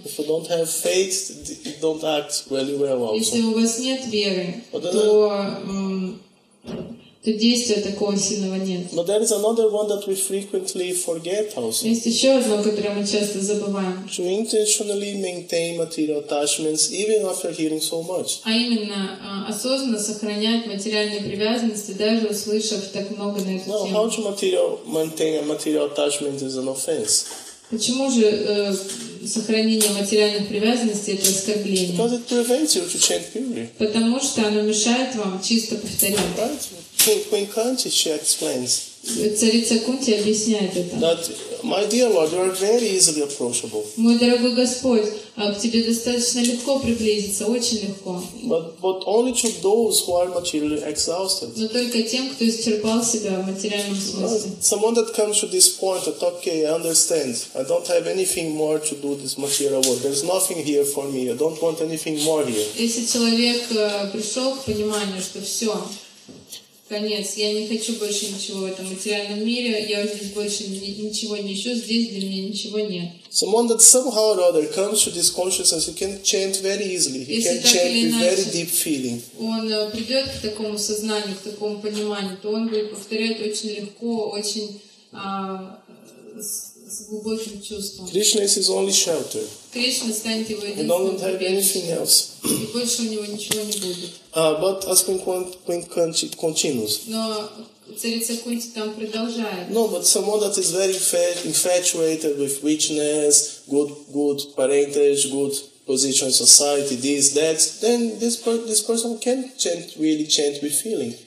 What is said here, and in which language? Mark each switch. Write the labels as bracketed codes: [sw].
[en] If you don't have faith, you don't act really well also. [ru] Если у вас нет веры, то действия такого сильного нет. [en] But there is another one that we frequently forget also. [ru] Есть еще одно, которое мы часто забываем. [en] To intentionally maintain material attachments even after hearing so much. [ru] А именно осознанно сохранять материальные привязанности, даже услышав так много на эту тему. [en] Now, how to maintain a material attachment is an offense. [ru] Почему же сохранение материальных привязанностей — это оскорбление? [en] Because it prevents you to chant purely. [ru] Потому что оно мешает вам чисто повторять. [en] Right? Queen Kunti, she explains. [ru] Царица Кунти объясняет это. [en] That, my dear Lord, you are very easily approachable. [ru] Мой дорогой Господь, к тебе достаточно легко приблизиться, очень легко. [en] But only to those who are materially exhausted. [ru] Но только тем, кто исчерпал себя в материальном смысле. [en] Someone that comes to this point, that okay, I understand. I don't have anything more to do this material work. There's nothing here for me. I don't want anything more here. [ru] Если человек пришел к пониманию, что все. Конец. Я не хочу больше ничего в этом материальном мире. Я здесь больше ничего не ищу. Здесь для меня ничего нет. [en] Someone that somehow or other comes to this consciousness, he can chant very easily. He [ru] Если [en] can chant with very deep feeling. [ru] Он придет к такому сознанию, к такому пониманию, то он будет повторять очень легко, очень с глубоким чувством. [en] Krishna is his only shelter. [ru] Krishna станет его единственным убежищем. И больше у него ничего не будет. [en] But as Kunti continues. [ru] Но царица Кунти там продолжает. [en] No, but someone that is very infatuated with richness, good parentage, good position, society, that, then this person can change, really change with feeling.